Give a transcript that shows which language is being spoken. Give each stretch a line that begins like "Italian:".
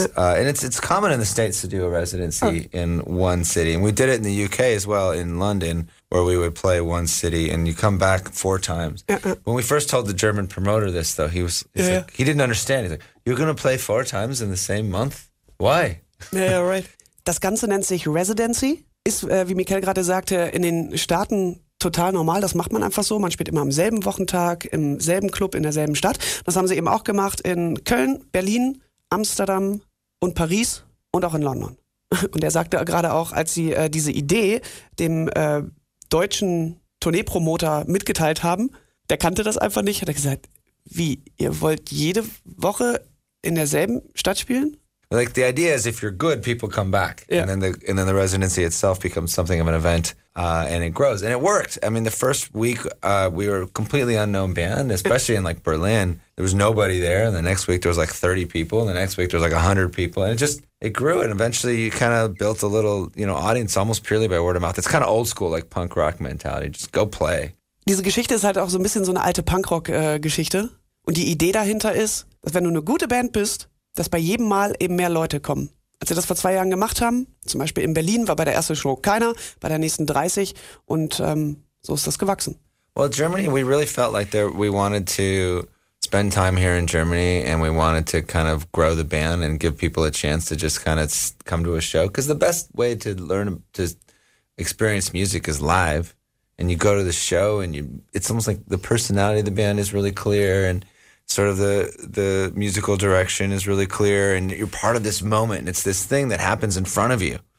English: And it's common in the States to do a residency in one city. And we did it in the UK as well, in London, where we would play one city and you come back 4 times. When we first told the German promoter this, though, he didn't understand. He's like, you're going to play 4 times in the same month? Why? Yeah, right.
German: Das Ganze nennt sich Residency. Ist, wie Michael gerade sagte, in den Staaten total normal, das macht man einfach so. Man spielt immer am selben Wochentag, im selben Club, in derselben Stadt. Das haben sie eben auch gemacht in Köln, Berlin, Amsterdam und Paris und auch in London. Und er sagte gerade auch, als sie diese Idee dem deutschen Tourneepromoter mitgeteilt haben, der kannte das einfach nicht, hat er gesagt, wie, ihr wollt jede Woche in derselben Stadt spielen?
English: Like the idea is if you're good, people come back. Yeah. And then the residency itself becomes something of an event. And it grows. And it worked. I mean, the first week, we were a completely unknown band, especially in like Berlin. There was nobody there. And the next week, there was like 30 people. And the next week, there was like 100 people. And it grew. And eventually, you kind of built a little, you know, audience almost purely by word of mouth. It's kind of old school, like punk rock mentality. Just go play.
German: Diese Geschichte ist halt auch so ein bisschen so eine alte punk rock Geschichte. Und die Idee dahinter ist, dass wenn du eine gute Band bist, dass bei jedem Mal eben mehr Leute kommen. Als sie das vor 2 Jahren gemacht haben, zum Beispiel in Berlin, war bei der ersten Show keiner, bei der nächsten 30 und so ist das gewachsen.
English: Well, Germany, we really felt like we wanted to spend time here in Germany and we wanted to kind of grow the band and give people a chance to just kind of come to a show. Because the best way to learn, to experience music is live. And you go to the show and it's almost like the personality of the band is really clear and sort of the musical direction is really clear and you're part of this moment and it's this thing that happens in front of you.